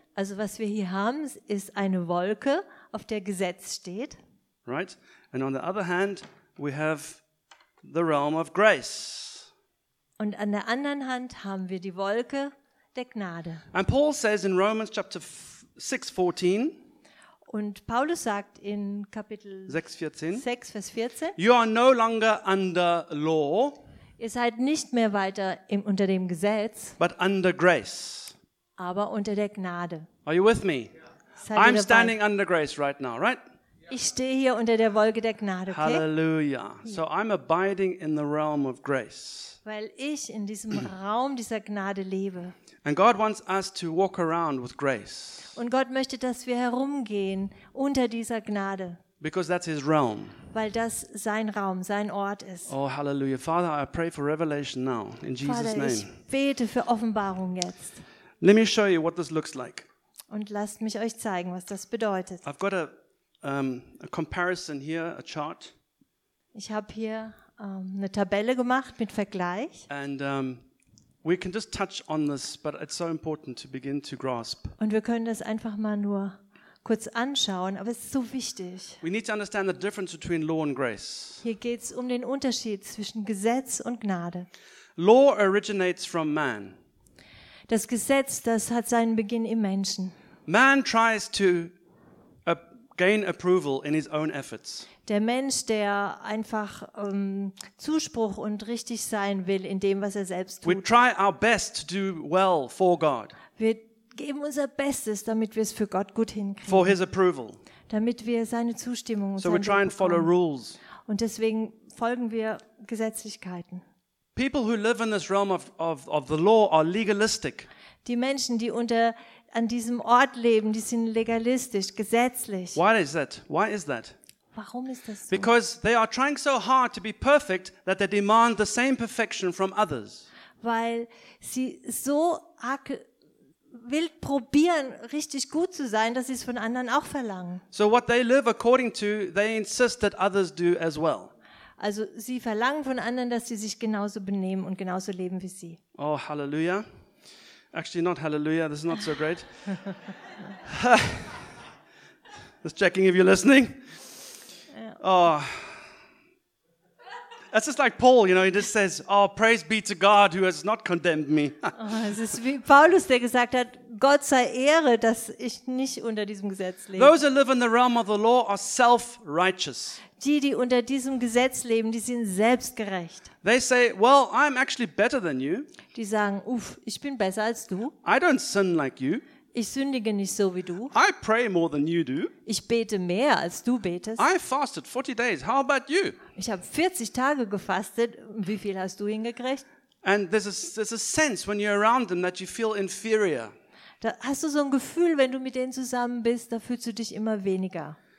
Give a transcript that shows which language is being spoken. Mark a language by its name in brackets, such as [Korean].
[German] Also was wir hier haben, ist eine Wolke, auf der Gesetz steht. [English] Right? And on the other hand we have the realm of grace. [German] Und an der anderen Hand haben wir die Wolke der Gnade. [English] And Paul says in Romans chapter 6:14. [German] Und Paulus sagt in Kapitel 6, Vers 14, [English] you are no longer under law, [German] ihr seid nicht mehr weiter unter dem Gesetz, [English] but under grace. [German] Aber unter der Gnade. [English] Are you with me? Yeah. I'm standing under grace right now, right? Yeah. [German] Ich stehe hier unter der Wolke der Gnade, okay? Hallelujah. [English] So I'm abiding in the realm of grace. [German] Weil ich in diesem Raum dieser Gnade lebe. [English] And God wants us to walk around with grace. [German] Und Gott möchte, dass wir herumgehen unter dieser Gnade. [English] Because that's his realm. [German] Weil das sein Raum, sein Ort ist. [English] Oh, hallelujah. Father, I pray for revelation now in Jesus' name. [German] Vater, ich bete für Offenbarung jetzt. [English] Let me show you what this looks like. [German] Und lasst mich euch zeigen, was das bedeutet. [English] I've got a comparison here, a chart. [German] Ich habe hier eine Tabelle gemacht mit Vergleich. [English] And we can just touch on this, but it's so important to begin to grasp. [German] Und wir können das einfach mal nur kurz anschauen, aber es ist so wichtig. [English] We need to understand the difference between law and grace. [German] Hier geht's um den Unterschied zwischen Gesetz und Gnade. [English] Law originates from man. [German] Das Gesetz, das hat seinen Beginn im Menschen. [English] Man tries to gain approval in his own efforts. [German] Der Mensch, der einfach Zuspruch und richtig sein will in dem, was er selbst tut. [English] We try our best to do well for God. [German] Wir geben unser Bestes, damit wir es für Gott gut hinkriegen. [English] For his approval. [German] Damit wir seine Zustimmung bekommen. [English] So we try and follow rules. [German] Und deswegen folgen wir Gesetzlichkeiten. [English] People who live in this realm of the law are legalistic. [German] Die Menschen, die unter an diesem Ort leben, die sind legalistisch, gesetzlich. [English] Why is that? Why is that? [German] Warum ist das so? [English] Because they are trying so hard to be perfect that they demand the same perfection from others. [German] Weil sie so arg wild probieren, richtig gut zu sein, dass sie es von anderen auch verlangen. [English] So what they live according to, they insist that others do as well. [German] Also sie verlangen von anderen, dass sie sich genauso benehmen und genauso leben wie sie. [English] Oh, hallelujah. Actually, not hallelujah. This is not so great. Just checking if you're listening. Yeah. Oh, that's just like Paul, you know. He just says, "Oh, praise be to God who has not condemned me." [German] Es ist wie Paulus, der gesagt hat: Gott sei Ehre, dass ich nicht unter diesem Gesetz lebe. [English] Those who live in the realm of the law are self-righteous. [German] Die, die unter diesem Gesetz leben, die sind selbstgerecht. [English] They say, "Well, I'm actually better than you." [German] Die sagen, uff, ich bin besser als du. [English] I don't sin like you. [German] Ich sündige nicht so wie du. [English] I pray more than you do. [German] Ich bete mehr als du betest. [English] I fasted 40 days. How about you? [German] Ich habe 40 Tage gefastet. Wie viel hast du hingekriegt? [English] And there's a sense when you're around them that you feel inferior. [German] Da hast du so ein Gefühl, wenn du mit denen zusammen bist, da fühlst du dich immer weniger.